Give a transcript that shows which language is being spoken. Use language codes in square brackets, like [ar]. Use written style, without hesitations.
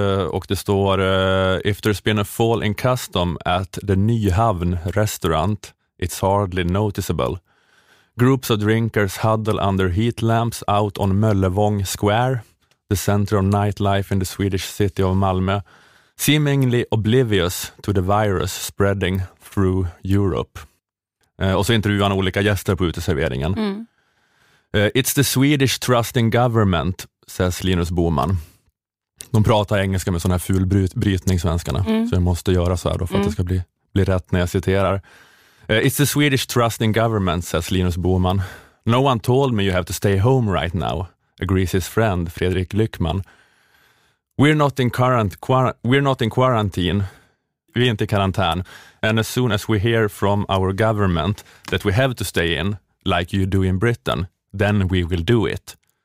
[sv] Och det står [en] If there's been a fall in custom at the Nyhavn restaurant, it's hardly noticeable. Groups of drinkers huddle under heat lamps out on Möllevång Square, the center of nightlife in the Swedish city of Malmö, seemingly oblivious to the virus spreading through Europe. [sv] Och så intervjuar han olika gäster på uteserveringen. [en] It's the Swedish trust in government, says Linus Boman. [sv] De pratar engelska med sån här ful brytning, svenskarna. Så jag måste göra så här då för att det ska bli rätt när jag citerar. [en] It's the Swedish trust in government, says Linus Boman. No one told me you have to stay home right now, agrees his friend Fredrik Lyckman. We're not in quarantine. [sv] Vi är inte i karantän. [en] And as soon as we hear from our government that we have to stay in, like you do in Britain, then we will do it.